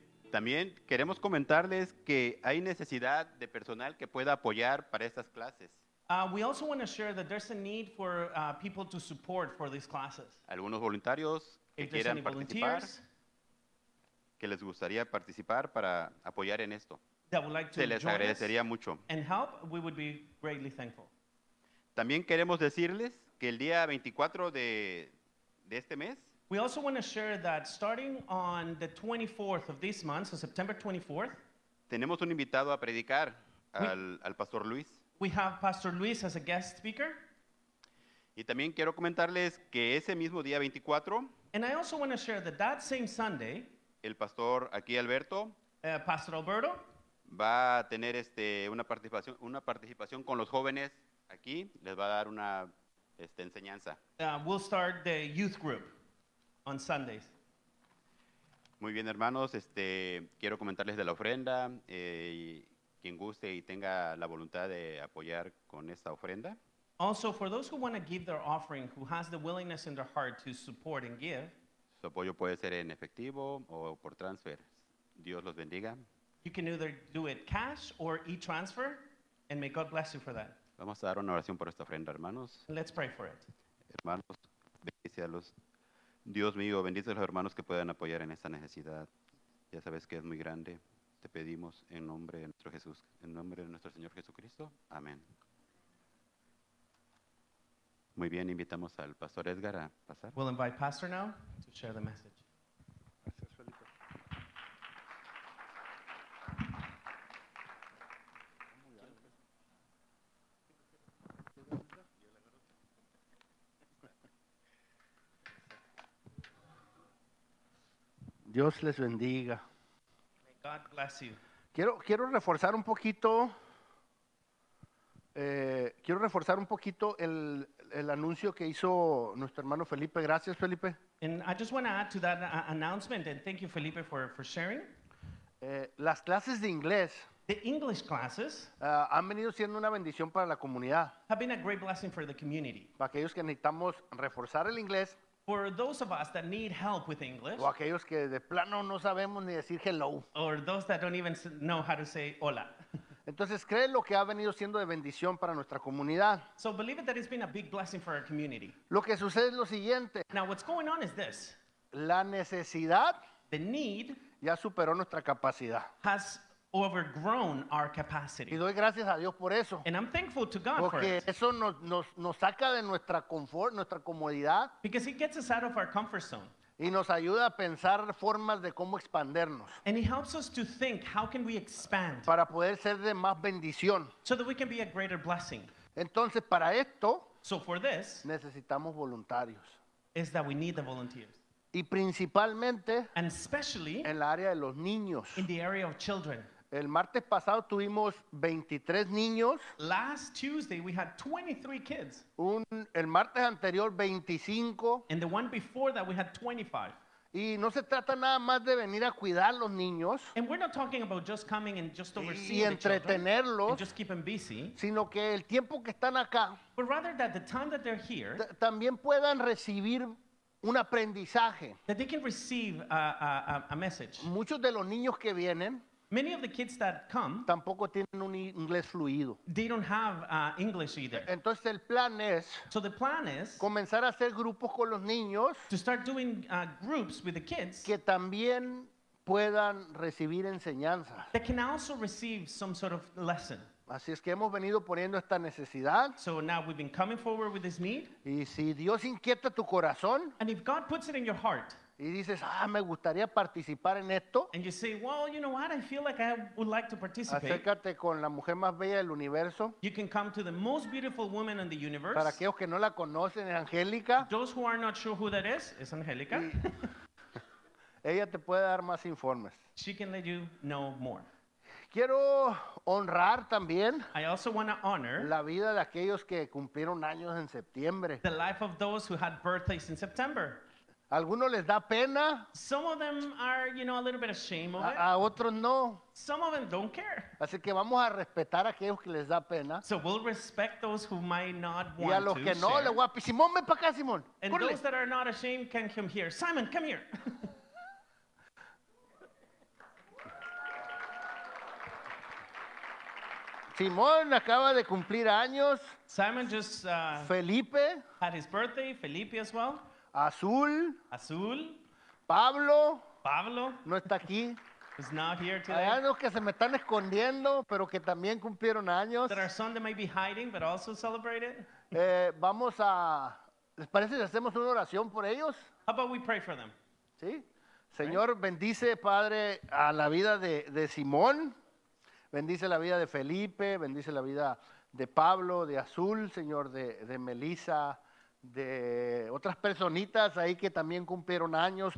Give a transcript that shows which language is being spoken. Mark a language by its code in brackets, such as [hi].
[es] También queremos comentarles que hay necesidad de personal que pueda apoyar para estas clases. [en] We also want to share that there's a need for people to support for these classes. [es] Algunos voluntarios que quieran participar, que les gustaría participar para apoyar en esto. [en] That would like to [es] se les [en] join [es] agradecería [en] us [es] mucho. [en] And help, we would be greatly thankful. [es] También queremos decirles que el día 24 de este mes, [en] we also want to share that starting on the 24th of this month, so September 24th, [es] tenemos un invitado a predicar al Pastor Luis. [en] We have Pastor Luis as a guest speaker. [es] Y también quiero comentarles que ese mismo día 24, [en] and I also want to share that that same Sunday, [es] el Pastor aquí Alberto, [en] Pastor Alberto, [es] va a tener una participación con los jóvenes aquí, les va a dar una enseñanza. [en] We'll start the youth group on Sundays. [es] Muy bien, hermanos, quiero comentarles de la ofrenda, y quien guste y tenga la voluntad de apoyar con esta ofrenda. [en] Also, for those who want to give their offering, who has the willingness in their heart to support and give, [es] su apoyo puede ser en efectivo o por transfer. Dios los bendiga. [en] You can either do it cash or e-transfer, and may God bless you for that. [es] Vamos a dar una oración por esta ofrenda, hermanos. [en] Let's pray for it. [es] Hermanos, bendice a los. Dios mío, bendice a los hermanos que puedan apoyar en esta necesidad. Ya sabes que es muy grande. Te pedimos en nombre de nuestro Jesús, en nombre de nuestro Señor Jesucristo. Amén. Muy bien, invitamos al Pastor Edgar a pasar. [en] We'll invite Pastor now to share the message. [es] Gracias, Felipe. Dios les bendiga. [en] May God bless you. [es] Quiero reforzar un poquito. Quiero reforzar un poquito el anuncio que hizo nuestro hermano Felipe. Gracias, Felipe. [en] And I just want to add to that announcement, and thank you, Felipe, for sharing. [es] Las clases de inglés, [en] the English classes, [es] han venido siendo una bendición para la comunidad. [en] Have been a great blessing for the community. [es] Para aquellos que necesitamos reforzar el inglés. [en] For those of us that need help with English, [es] o aquellos que de plano no sabemos ni decir hello, [en] or those that don't even know how to say hola. [es] Entonces, cree lo que ha venido siendo de bendición para nuestra comunidad. [en] So believe it that it's been a big blessing for our community. [es] Lo que sucede es lo siguiente. [en] Now what's going on is this. [es] La necesidad, [en] the need, [es] ya superó nuestra capacidad. [en] Has overgrown our capacity. [es] Y doy gracias a Dios por eso. [en] And I'm thankful to God [es] porque [en] for it. [es] Eso nos saca de nuestra confort, nuestra comodidad. [en] Because it gets us out of our comfort zone. [es] Y nos ayuda a pensar formas de cómo expandernos. [en] And it helps us to think, how can we expand? [es] Para poder ser de más bendición. [en] So that we can be a greater blessing. [es] Entonces, para esto, [en] so for this, [es] necesitamos voluntarios. [en] Is that we need the volunteers. [es] Y principalmente, [en] and especially, [es] en la área de los niños. [en] In the area of children. [es] El martes pasado tuvimos 23 niños. [en] Last Tuesday we had 23 kids. [es] El martes anterior 25. [en] And the one before that we had 25. [es] Y no se trata nada más de venir a cuidar los niños. [en] And we're not talking about just coming and just overseeing the children. [es] Y entretenerlos. [en] And just keep them busy. [es] Sino que el tiempo que están acá. [en] But rather that the time that they're here. [es] También puedan recibir un aprendizaje. [en] That they can receive a message. [es] Muchos de los niños que vienen, [en] many of the kids that come, [es] tampoco tienen un inglés fluido. [en] They don't have English either. [es] Entonces el plan es, [en] so the plan is, [es] comenzar a hacer grupos con los niños, [en] to start doing groups with the kids, [es] que también puedan recibir enseñanza. [en] They can also receive some sort of lesson. [es] Así es que hemos venido poniendo esta necesidad. [en] So now we've been coming forward with this need. [es] Y si Dios inquieta tu corazón. [en] And if God puts it in your heart. [es] Y dices, ah, me gustaría participar en esto. [en] And you say, well, you know what? I feel like I would like to participate. [es] Acércate con la mujer más bella del universo. [en] You can come to the most beautiful woman in the universe. [es] Para aquellos que no la conocen, es Angélica. [en] Those who are not sure who that is Angélica. [es] Ella te puede dar más informes. [en] She can let you know more. [es] Quiero honrar también [en] I also want to honor [es] la vida de aquellos que cumplieron años en septiembre. [en] The life of those who had birthdays in September. [es] Algunos les da pena. [en] Some of them are, you know, a little bit ashamed of it. [es] A otros no. [en] Some of them don't care. [es] Así que vamos a respetar a aquellos que les da pena. [en] So we'll respect those who might not want to share. [es] Y a los que no, le voy a pedir, Simón, ven para acá, Simón. [en] And Cúrle. Those that are not ashamed can come here. Simon, come here. [es] Simón acaba de cumplir años. [en] Simon just Felipe had his birthday. Felipe as well. Azul. Azul. Pablo. Pablo. [es] No está aquí. [en] Is not here today. [es] Hay unos que se me están escondiendo, pero que también cumplieron años. [en] There are some that may be hiding, but also celebrated. [es] Vamos a. ¿Les parece si hacemos una oración por ellos? [en] How about we pray for them? [es] Sí. Señor, right. Bendice, Padre, a la vida de Simón. Bendice la vida de Felipe, bendice la vida de Pablo, de Azul, Señor, de Melissa, de otras personitas ahí que también cumplieron años.